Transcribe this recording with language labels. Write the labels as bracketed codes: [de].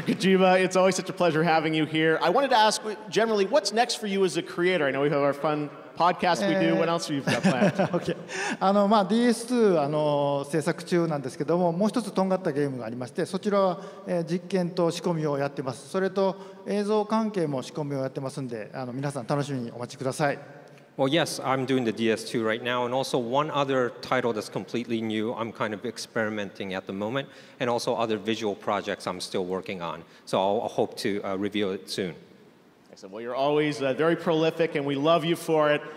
[en] Kojima, it's always such a pleasure having you here. I wanted to ask, generally, what's next for you as a creator? I know we have our fun podcast we do. What else have you got planned? Okay. [ja] DS2 制作中なんですけども、もう一つとんがったゲームがありまして、そちらは実験と仕込みをやってます。それと映像関係も仕込みをやってますんで、皆さん楽しみにお待ちください。 [en] Well, yes, I'm doing the DS2 right now, and also one other title that's completely new. I'm kind of experimenting at the moment, and also other visual projects I'm still working on. So I'll hope to reveal it soon. Excellent. Well, you're always very prolific, and we love you for it.